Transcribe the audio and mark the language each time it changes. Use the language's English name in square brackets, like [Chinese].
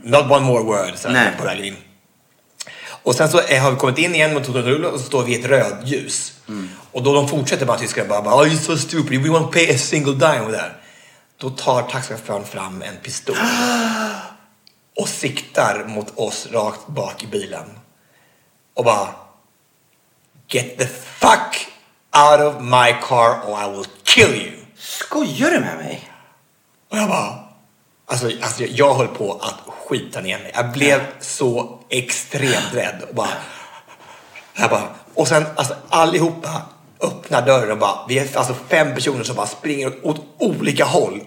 [English] Not one more word, [Swedish] så här, på vägen in. Och sen så har vi kommit in igen mot Totorullo och så står vi i ett röd ljus. Mm. Och då de fortsätter bara tyska, bara, [English] oh, he's so stupid, we won't pay a single dime with that. [Swedish] Då tar taxichauffören fram en pistol. Och siktar mot oss rakt bak i bilen. Och bara, [English] get the fuck out of my car or I will kill you. [Swedish] Skojar du med mig? Och jag bara, alltså jag höll på att skita ner mig. Jag blev så extremt rädd. Och bara, och sen alltså, allihopa öppnar dörren och bara, vi är alltså fem personer som bara springer åt olika håll.